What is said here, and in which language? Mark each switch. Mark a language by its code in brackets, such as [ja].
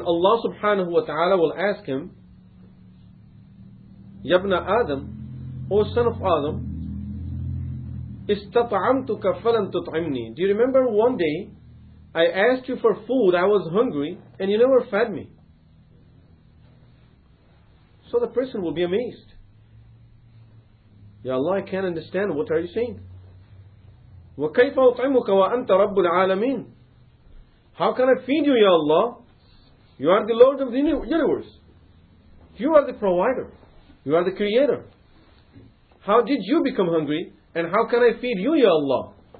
[en] Allah subhanahu wa ta'ala will ask him, [ar] Yabna Adam, [en] O son of Adam, [ar] Istata'amtuka falam tut'imni. [en] Do you remember one day, I asked you for food, I was hungry, and you never fed me. So the person will be amazed. Ya Allah, I can't understand. What are you saying? [ar] وكيف أطعمك وأنت رب العالمين. [en] How can I feed you, Ya Allah? You are the Lord of the universe. You are the provider. You are the creator. How did you become hungry? And how can I feed you, Ya Allah?